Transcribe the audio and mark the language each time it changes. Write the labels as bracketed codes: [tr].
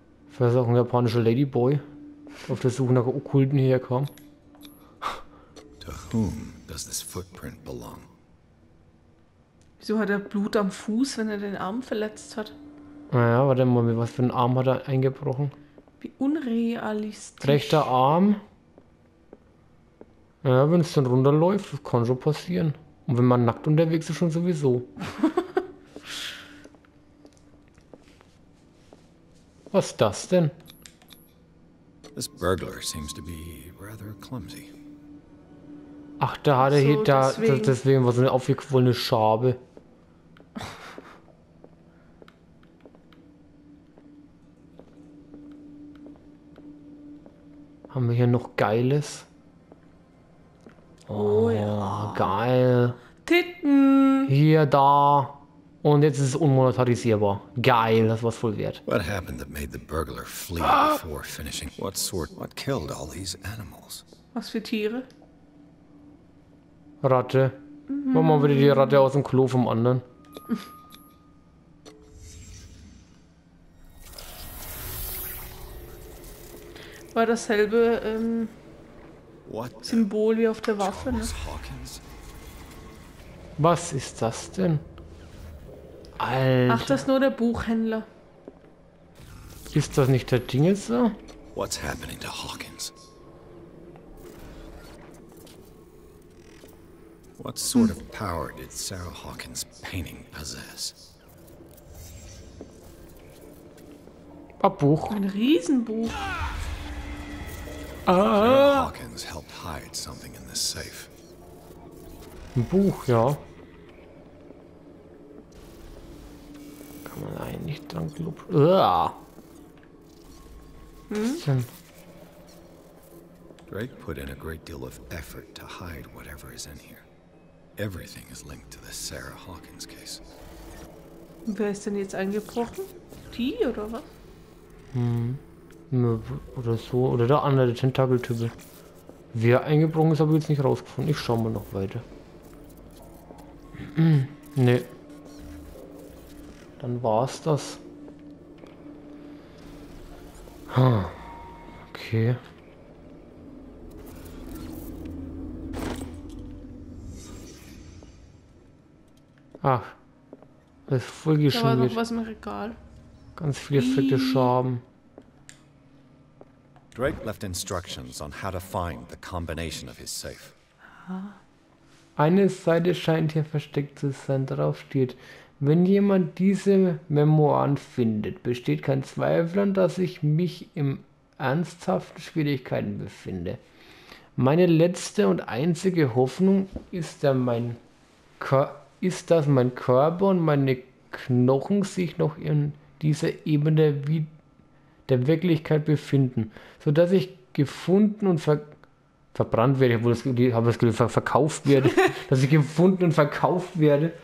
[de] Vielleicht ist auch ein japanischer Ladyboy. Auf der Suche nach Okkulten herkommen. [en] To whom does this footprint belong? [de] Wieso hat er Blut am Fuß, wenn er den Arm verletzt hat? Naja, warte mal, mit was für einen Arm hat er eingebrochen? Wie unrealistisch. Rechter Arm. Ja, wenn es dann runterläuft, das kann schon passieren. Und wenn man nackt unterwegs ist, schon sowieso. Was ist das denn? [en] This burglar seems to be rather clumsy. [de] Ach, da hat er hier So, da, deswegen. deswegen war so eine aufgequollene Schabe. Haben wir hier noch Geiles? Oh Oh, ja. geil. Titten. Hier, da. Und jetzt ist es unmonetarisierbar. Geil, das war's voll wert. [en] What happened that made the burglar flee Ah. before finishing? What sort? What killed all these animals? [de] Was für Tiere? Ratte. Mach mal wieder die Ratte aus dem Klo vom anderen. War dasselbe [en] What [de] Symbol wie auf der [en] the? [de] Waffe, ne? [en] Charles Hawkins? [de] Was ist das denn? Ach, das Alter. ist nur der Buchhändler. Ist das nicht der Dingel so? [en] What's happening to Hawkins? What sort of power did Sarah Hawkins' painting possess? [de] Ein Buch. Ein Riesenbuch. Ah. [en] Sarah Hawkins helped hide something in this safe. [de] Ein Buch, ja. Kann man eigentlich nicht dran glauben. Was denn? [en] Drake put in a great deal of effort to hide whatever is in here. Everything is linked to the Sarah Hawkins case. [de] Wer ist denn jetzt eingebrochen? Die oder was? Oder so. Oder der andere Tentakeltyp. Wer eingebrochen ist, habe ich jetzt nicht rausgefunden. Ich schaue mal noch weiter. Nee. Dann war's das. Okay. Ach, das ist voll Da war noch geschmiert. was im Regal. Ganz viele fette Wie? Schaben. [en] Drake left instructions on how to find the combination of his safe. [de] Eine Seite scheint hier versteckt zu sein. Darauf steht: Wenn jemand diese Memoiren findet, besteht kein Zweifel daran, dass ich mich in ernsthaften Schwierigkeiten befinde. Meine letzte und einzige Hoffnung ist, dass mein Körper und meine Knochen sich noch in dieser Ebene wie der Wirklichkeit befinden, sodass ich gefunden und verbrannt werde, obwohl ich habe das Gefühl, verkauft werde, dass ich gefunden und verkauft werde.